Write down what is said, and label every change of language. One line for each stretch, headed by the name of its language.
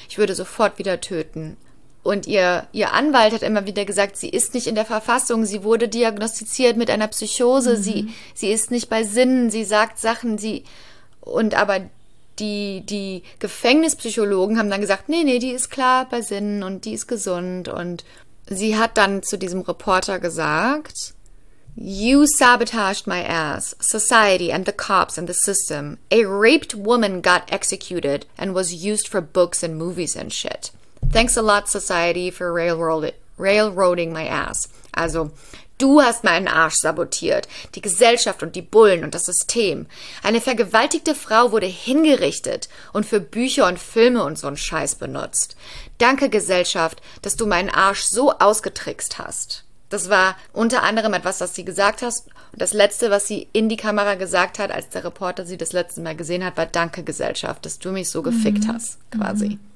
German: Ich würde sofort wieder töten. Und ihr Anwalt hat immer wieder gesagt, sie ist nicht in der Verfassung, sie wurde diagnostiziert mit einer Psychose, sie ist nicht bei Sinnen, sie sagt Sachen, aber die Gefängnispsychologen haben dann gesagt: Nee, die ist klar bei Sinnen und die ist gesund. Und sie hat dann zu diesem Reporter gesagt:
English: You sabotaged my ass, society and the cops and the system. A raped woman got executed and was used for books and movies and shit. Thanks a lot, society, for railroading my ass.
German: Also, du hast meinen Arsch sabotiert. Die Gesellschaft und die Bullen und das System. Eine vergewaltigte Frau wurde hingerichtet und für Bücher und Filme und so einen Scheiß benutzt. Danke, Gesellschaft, dass du meinen Arsch so ausgetrickst hast. Das war unter anderem etwas, was sie gesagt hat. Und das Letzte, was sie in die Kamera gesagt hat, als der Reporter sie das letzte Mal gesehen hat, war: Danke, Gesellschaft, dass du mich so gefickt hast, quasi.